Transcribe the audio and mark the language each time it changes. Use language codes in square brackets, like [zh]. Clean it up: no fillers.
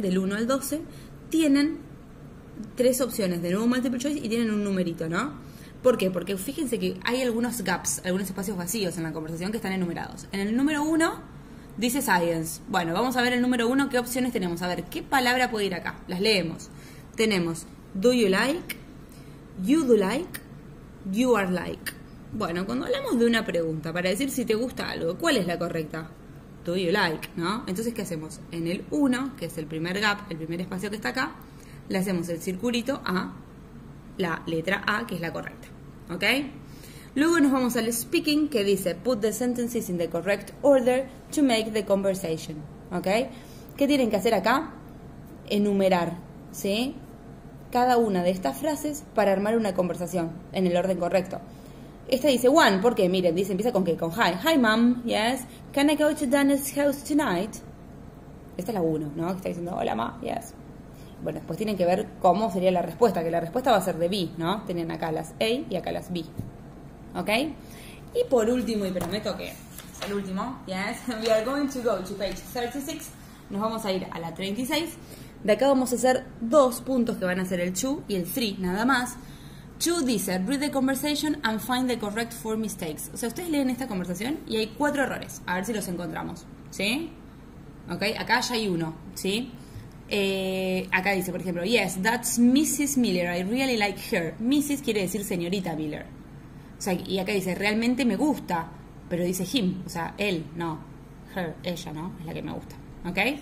[es] Del 1 al 12, tienen tres opciones de nuevo multiple choice y tienen un numerito, ¿no? ¿Por qué? Porque fíjense que hay algunos gaps, algunos espacios vacíos en la conversación que están enumerados. En el número 1 dice science. Bueno, vamos a ver el número 1, qué opciones tenemos. A ver, ¿qué palabra puede ir acá? Las leemos. Tenemos [en] do you like, you do like, you are like. [es] Bueno, cuando hablamos de una pregunta para decir si te gusta algo, ¿cuál es la correcta? [en] Do you like, [es] ¿no? Entonces, ¿qué hacemos? En el 1, que es el primer gap, el primer espacio que está acá, le hacemos el circulito a la letra A, que es la correcta, ¿ok? Luego nos vamos al speaking, que dice [en] put the sentences in the correct order to make the conversation, [es] ¿ok? ¿Qué tienen que hacer acá? Enumerar, ¿sí? Cada una de estas frases para armar una conversación en el orden correcto. Esta dice one, porque miren, dice, empieza con qué, con hi. [en] Hi mom, yes. Can I go to Dana's house tonight? [es] Esta es la uno, ¿no? Que está diciendo hola ma, yes. Bueno, después tienen que ver cómo sería la respuesta, que la respuesta va a ser de B, ¿no? Tienen acá las A y acá las B. ¿Ok? Y por último, y prometo que es el último, [en] yes, we are going to go to page 36. [es] Nos vamos a ir a la 36. De acá vamos a hacer dos puntos que van a ser el 2 y el 3, nada más. 2 dice, [en] read the conversation and find the correct 4 mistakes. [es] O sea, ustedes leen esta conversación y hay 4 errores. A ver si los encontramos, ¿sí? ¿Ok? Acá ya hay uno, ¿sí? Acá dice, por ejemplo, [en] yes, that's Mrs. Miller, I really like her. Mrs. [es] quiere decir señorita Miller. O sea, y acá dice, realmente me gusta, pero dice him, o sea, él, no, her, ella, ¿no? Es la que me gusta, ¿ok?